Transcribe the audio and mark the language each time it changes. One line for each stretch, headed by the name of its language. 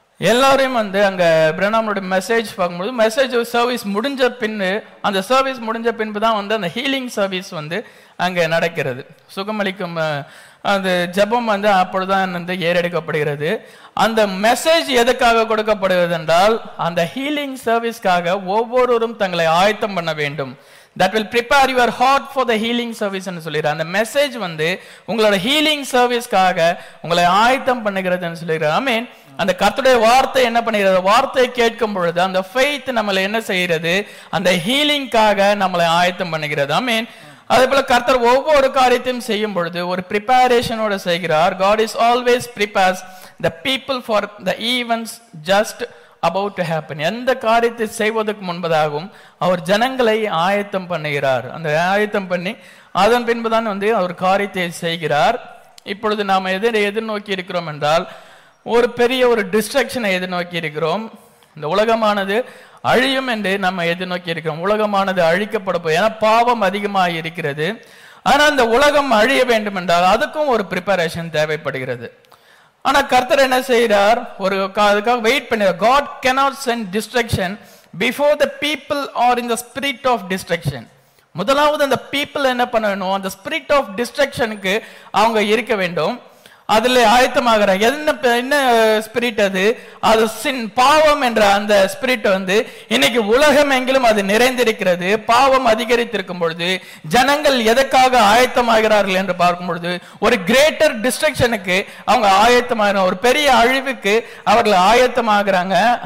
Tamil: எல்லாரையும் வந்து அங்க பிரணாமோட மெசேஜ் பார்க்கும்போது மெசேஜ் சர்வீஸ் முடிஞ்ச பின்பு அந்த சர்வீஸ் முடிஞ்ச பின்பு தான் வந்து அந்த ஹீலிங் சர்வீஸ் வந்து அங்க நடக்கிறது. சுகமளிக்கும் அந்த ஜபம் வந்து அப்பொழுதுதான் வந்து ஏறெடுக்கப்படுகிறது. அந்த மெசேஜ் எதுக்காக கொடுக்கப்படுகிறது என்றால் அந்த ஹீலிங் சர்வீஸ்க்காக ஒவ்வொருவரும் தங்களை ஆயத்தம் பண்ண வேண்டும்.
English: That will prepare your heart for the healing service.
Tamil: And சொல்லிரு அந்த மெசேஜ் வந்து உங்களோட ஹீலிங் சர்வீஸ்க்காக உங்களை ஆயத்தம் பண்ணுகிறதுன்னு சொல்லிரு. ஆமென். அந்த கர்த்தருடைய வார்த்தை என்ன பண்ணுகிறது, வார்த்தையை கேட்கும் பொழுது அந்த ஃபெய்த் நம்மளை என்ன செய்கிறது, அந்த ஹீலிங்க்காக நம்மளை ஆயத்தம் பண்ணுகிறது. ஆமென். அதே போல கர்த்தர் ஒவ்வொரு காரியத்தையும் செய்யும் பொழுது ஒரு ப்ரிப்பரேஷனோட செய்கிறார்.
English: God is always prepares the people for the events just about to happen.
Tamil: எந்த காரியத்தை செய்வதற்கு முன்பதாகவும் அவர் ஜனங்களை ஆயத்தம் பண்ணுகிறார். அந்த ஆயத்தம் பண்ணி அதன் பின்புதான் வந்து அவர் காரியத்தை செய்கிறார். இப்பொழுது நாம் எதை எதிர்நோக்கி இருக்கிறோம் என்றால் ஒரு பெரிய ஒரு டிஸ்ட்ரக்ஷனை எதிர்நோக்கி இருக்கிறோம். இந்த உலகமானது அழியும் என்று நம்ம எதிர்நோக்கி இருக்கிறோம். உலகமானது அழிக்கப்பட போய் ஏன்னா பாவம் அதிகமாக இருக்கிறது. ஆனால் அந்த உலகம் அழிய வேண்டும் என்றால் அதுக்கும் ஒரு ப்ரிப்பரேஷன் தேவைப்படுகிறது. ஆனால் கர்த்தர் என்ன செய்கிறார், ஒரு அதுக்காக வெயிட் பண்ணுற.
English: God cannot send destruction before the people are in the spirit of destruction.
Tamil: முதலாவது அந்த பீப்புள் என்ன பண்ணணும், அந்த ஸ்பிரிட் ஆஃப் டிஸ்ட்ரக்ஷனுக்கு அவங்க இருக்க வேண்டும். அதில் ஆயத்தமாகற என்ன ஸ்பிரிட் அது, அது சின் பாவம் என்ற அந்த ஸ்பிரிட் வந்து இன்னைக்கு உலகம் எங்கிலும் அது நிறைந்திருக்கிறது. பாவம் அதிகரித்திருக்கும் பொழுது ஜனங்கள் எதற்காக ஆயத்தமாகிறார்கள் என்று பார்க்கும் பொழுது ஒரு கிரேட்டர் டிஸ்ட்ரக்ஷனுக்கு அவங்க ஆயத்தமாக, ஒரு பெரிய அழிவுக்கு அவர்கள் ஆயத்தமாகறாங்க.